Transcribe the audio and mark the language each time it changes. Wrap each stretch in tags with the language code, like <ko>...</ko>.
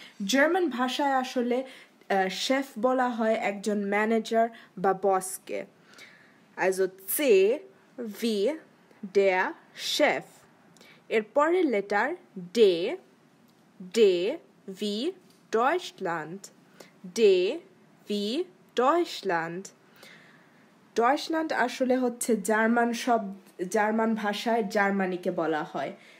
<bn>German ভাষায় আসলে chef বলা হয় একজন manager বা boss কে.</bn> <de>Also C, wie der Chef.</de> <bn>এর পরের letter D,</bn> <de>D, wie Deutschland. D, wie Deutschland.</de> <bn>Deutschland আসলে হচ্ছে German শব্দ, German ভাষায় Germany কে বলা হয়.</bn>